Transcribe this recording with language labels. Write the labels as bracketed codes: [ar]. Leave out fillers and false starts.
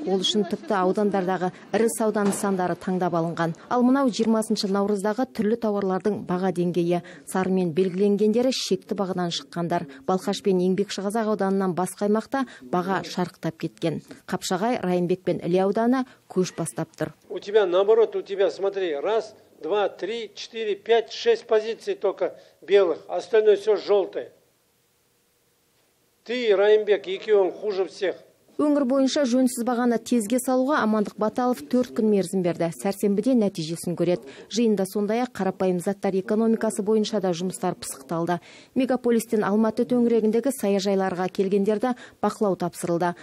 [kk] Ол үшін тіпті аудандардағы ірі сауда нысандары таңдап алынған. Ал мынау 20 наурыздағы түрлі тауарлардың баға деңгейі. Сарымен белгіленгендері шекті бағадан шыққандар. Балқаш пен Еңбекші Қазақ ауданынан басқа аймақта баға шарықтап кеткен. Қапшағай, Райымбек пен Іле ауданы көш бастап тұр. [ru] У тебя наоборот, у тебя, смотри, раз, два, три, четыре, пять, шесть позиций только белых, остальное все желтое. Ты, Райымбек, [kk] екеуің [ru] хуже всех. [kk] Өңір бойынша жөнсіз бағаны тезге салуға Амандық Баталов 4 күн мерзім берді. Сәрсенбіде нәтижесін көреді. Жиында сондай қарапайым заттар экономикасы бойынша да жұмыстар пысықталды. Мегаполистен Алматы төңірегіндегі саяжайларға келгендерді бақылау тапсырылды.